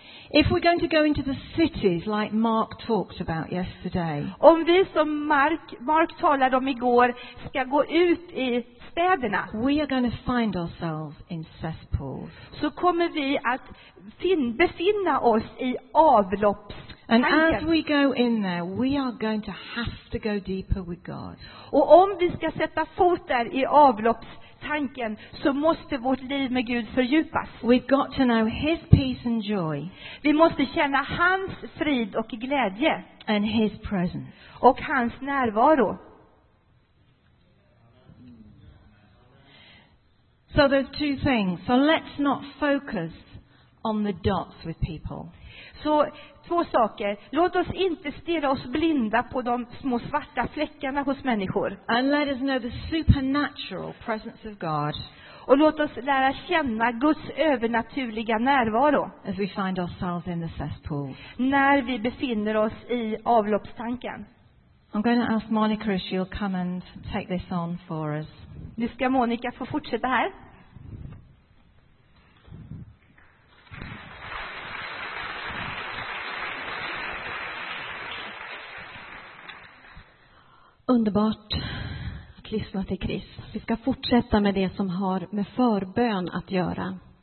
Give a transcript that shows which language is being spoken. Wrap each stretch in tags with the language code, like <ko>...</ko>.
<en>If we're going to go into the cities like Mark talked about yesterday.</en> <sv>Om vi som Mark talade om igår ska gå ut i städerna.</sv> <en>We are going to find ourselves in cesspools.</en> <sv>Så kommer vi att befinna oss i avlopps.</sv> <en>And as we go in there, we are going to have to go deeper with God.</en> <sv>Och om vi ska sätta fot där i avloppstanken så måste vårt liv med Gud fördjupas.</sv> <en>We've got to know his peace and joy.</en> <sv>Vi måste känna hans frid och glädje.</sv> <en>And his presence.</en> <sv>Och hans närvaro.</sv> <en>So there's two things. So let's not focus on the dots with people.</en> <sv>Så två saker. Låt oss inte stirra oss blinda på de små svarta fläckarna hos människor.</sv> <en>And let us know the supernatural presence of God.</en> <sv>Och låt oss lära känna Guds övernaturliga närvaro.</sv> <en>As we find ourselves in the cesspool.</en> <sv>När vi befinner oss i avloppstanken.</sv> <en>I'm going to ask Monica if she'll come and take this on for us.</en> <sv>Nu ska Monica få fortsätta här. Underbart att lyssna till Chris. Vi ska fortsätta med det som har med förbön att göra.</sv>